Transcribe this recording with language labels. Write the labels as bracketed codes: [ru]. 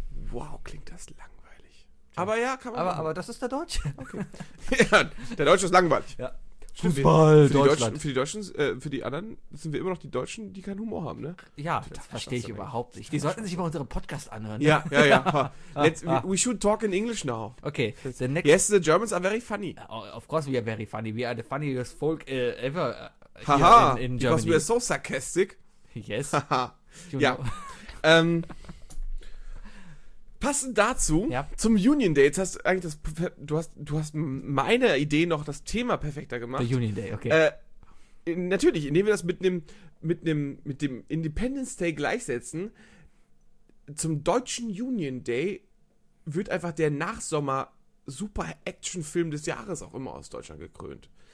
[de] Wow, klingt das langweilig. Aber ja, kann man. Aber das ist der Deutsche. Okay. Ja, der Deutsche ist langweilig. Ja. Fußball, Deutschland. Für die anderen sind wir immer noch die Deutschen, die keinen Humor haben, ne? Ja, das verstehe ich überhaupt nicht. Die sollten sich über unseren Podcast anhören. Ja, ne? Ja. [en] We should talk in English now. Okay. Yes, the Germans are very funny. Of course we are very funny. We are the funniest folk ever. Haha, in Germany. Because we are so sarcastic. Yes. [de] Haha. Ja. Passend dazu, zum Union Day, jetzt hast du eigentlich du hast meine Idee noch das Thema perfekter gemacht. Der Union Day, okay. Natürlich, indem wir das mit dem Independence Day gleichsetzen, zum deutschen Union Day wird einfach der Nachsommer-Super-Action-Film des Jahres auch immer aus Deutschland gekrönt.